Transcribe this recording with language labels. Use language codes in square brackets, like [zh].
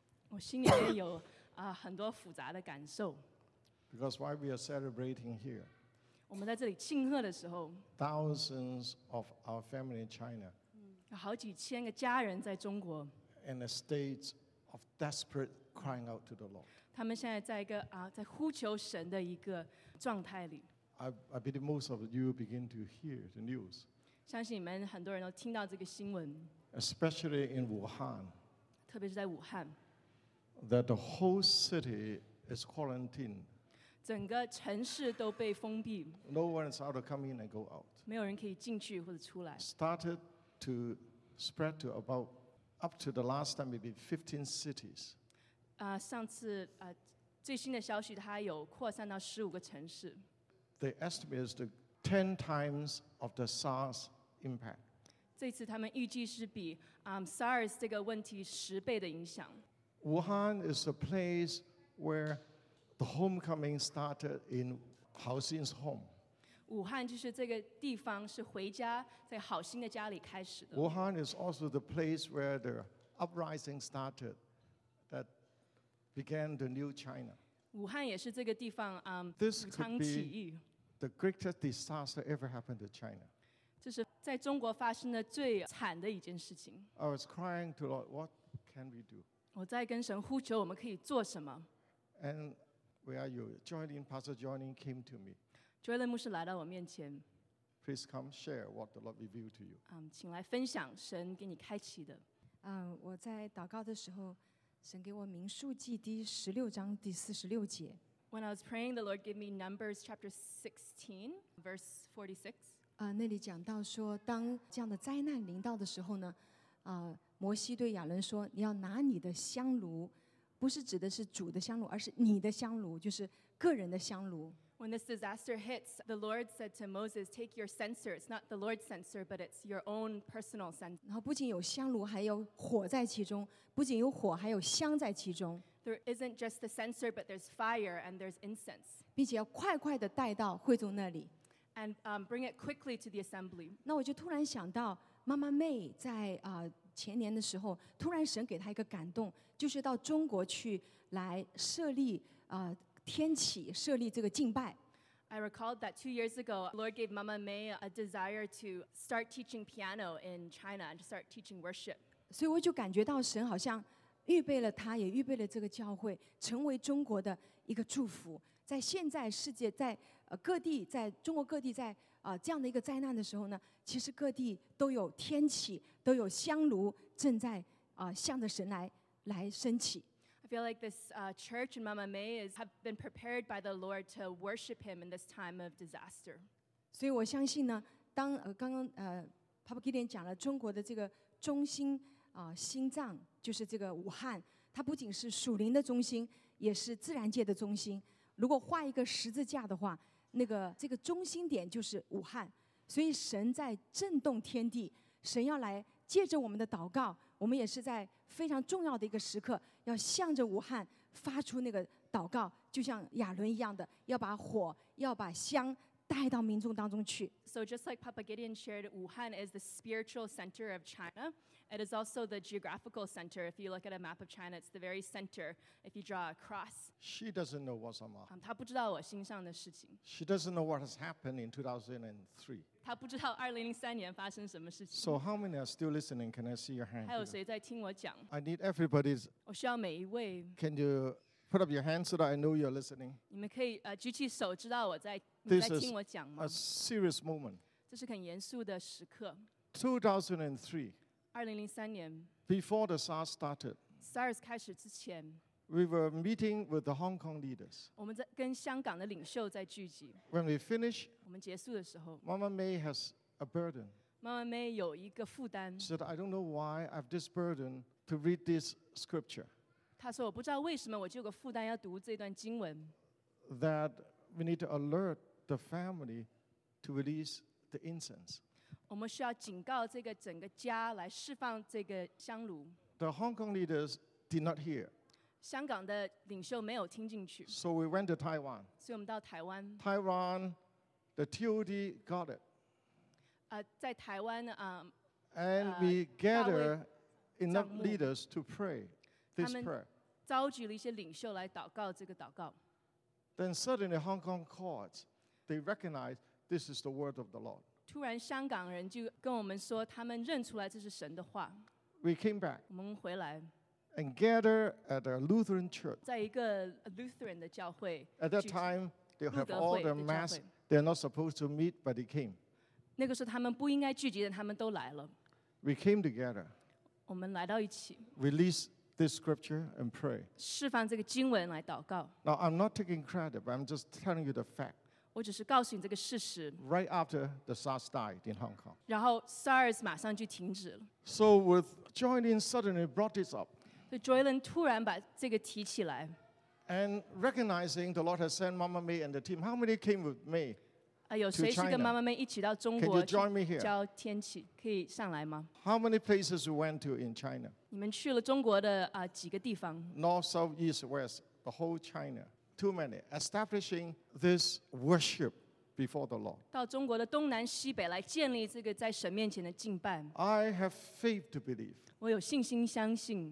[zh] 我心里面有很多复杂的感受。 [en] Because while we are celebrating here, [zh] 我们在这里庆贺的时候， [en] thousands of our family in China, [zh] 有好几千个家人在中国， [en] in a state of desperate crying out to the Lord. [zh] 他们现在在一个在呼求神的一个状态里。 [en] I believe most of you begin to hear the news. [zh] 相信你们很多人都听到这个新闻。 [en] Especially in Wuhan. [zh] 特别是在武汉。 [en] That the whole city is quarantined. [zh] 整个城市都被封闭。 [en] No one is allowed to come in and go out. [zh] 没有人可以进去或者出来。 [en] Started to spread to about, up to the last time, maybe 15 cities. [zh] 上次最新的消息，它有扩散到15个城市。 [en] They estimate the 10 times of the SARS impact. [zh] 这次他们预计是比SARS 这个问题十倍的影响。 [en] Wuhan is a place where the homecoming started in Hao Xin's home. [zh] 武汉就是这个地方是回家在郝兴的家里开始的。 [en] Wuhan is also the place where the uprising started that began the new China. [zh] 武汉也是这个地方 [en] This could be the greatest disaster ever happened to China. [zh] 这是在中国发生的最惨的一件事情。 [en] I was crying to Lord, what can we do? [zh] 我在跟神呼求我们可以做什么。 [en] And where are you? Joylin, Pastor Joylin came to me. [zh] Joylin 牧师来到我面前。 [en] Please come share what the Lord revealed to you. [zh] 请来分享神给你开启的。我在祷告的时候，神给我民数记第十六章第四十六节。 [en] When I was praying, the Lord gave me Numbers chapter 16, verse 46. [zh] 那里讲到说，当这样的灾难临到的时候呢，摩西对亚伦说，你要拿你的香炉，不是指的是主的香炉，而是你的香炉，就是个人的香炉。 [en] When this disaster hits, the Lord said to Moses, take your censer. It's not the Lord's censer, but it's your own personal censer. [zh] 然后不仅有香炉，还有火在其中，不仅有火，还有香在其中。 [en] There isn't just the censer, but there's fire and there's incense. [zh] 并且要快快地带到会众那里。 [en] And bring it quickly to the assembly. [zh] 那我就突然想到妈妈妹在前年的时候，突然神给她一个感动，就是到中国去来设立天启，设立这个敬拜。 [en] I recalled that 2 years ago, the Lord gave Mama May a desire to start teaching piano in China and to start teaching worship. [zh] 所以我就感觉到神好像预备了她，也预备了这个教会，成为中国的一个祝福。在现在世界，在各地，在中国各地，在这样的一个灾难的时候呢，其实各地都有天启，都有香炉正在向着神来升起。 [en] I feel like this church in Mama May have been prepared by the Lord to worship Him in this time of disaster. [zh] 所以我相信呢，当刚刚Papa Gideon讲了中国的这个中心心脏，就是这个武汉，它不仅是属灵的中心，也是自然界的中心。如果画一个十字架的话，那个这个中心点就是武汉。所以神在震动天地，神要来借着我们的祷告，我们也是在非常重要的一个时刻，要向着武汉发出那个祷告，就像亚伦一样的，要把火，要把香带到民众当中去。 [en] So just like Papa Gideon shared, Wuhan is the spiritual center of China. It is also the geographical center. If you look at a map of China, it's the very center. If you draw a cross. She doesn't know what's on my heart. [zh] 她不知道我心上的事情。 [en] She doesn't know what has happened in 2003. [zh] 她不知道2003年发生什么事情。 [en] So how many are still listening? Can I see your hand? [zh] 还有谁在听我讲？ [en] I need everybody's. [zh] 我需要每一位。 [en] Can you put up your hand so that I know you're listening? [zh] 你们可以举起手，知道我在。 [en] This is a serious moment. [zh] 这是很严肃的时刻。 [en] 2003. [zh] 2003年。 [en] Before the SARS started. [zh] SARS 开始之前。 [en] We were meeting with the Hong Kong leaders. [zh] 我们在跟香港的领袖在聚集。 [en] When we finish. [zh] 我们结束的时候。 [en] Mama May has a burden. [zh] Mama May 有一个负担。 [en] She said, "I don't know why I have this burden to read this scripture." [zh] 她说，我不知道为什么我就有个负担要读这段经文。 [en] That we need to alert the family to release the incense. [zh] 我们需要警告这个整个家来释放这个香炉。 [en] The Hong Kong leaders did not hear. [zh] 香港的领袖没有听进去。 [en] So we went to Taiwan. [zh] 所以我们到台湾。 [en] Taiwan, the TOD got it. [zh] 在台湾 [en] And we gather enough leaders to pray this prayer. [zh] 召集了一些领袖来祷告这个祷告。 [en] Then suddenly Hong Kong courts, they recognize this is the word of the Lord. [zh] 突然香港人就跟我们说，他们认出来这是神的话。 [en] We came back. [zh] 我们回来。 [en] And gather at a Lutheran church. [zh] 在一个 Lutheran 的教会。 [en] At that time, they have all their mass. They're not supposed to meet, but they came. [zh] 那个时候他们不应该聚集的，他们都来了。 [en] We came together. [zh] 我们来到一起。 [en] Release this scripture and pray. [zh] 释放这个经文来祷告。 [en] Now I'm not taking credit, but I'm just telling you the fact. [zh] 我只是告诉你这个事实。 [en] Right after the SARS died in Hong Kong. [zh] 然后 SARS 马上就停止了。 [en] So with Joylin suddenly brought this up. [zh] 所以 Joylin 突然把这个提起来。 [en] And recognizing the Lord has sent Mama May and the team. How many came with me? [zh] 有谁是跟妈妈们一起到中国去教天启？可以上来吗 [en] ？How many places you went to in China？ [zh] 你们去了中国的几个地方 [en] ？North, south, east, west, the whole China. Too many. Establishing this worship before the Lord. [zh] 到中国的东南西北来建立这个在神面前的敬拜。 [en] I have faith to believe. [zh] 我有信心相信。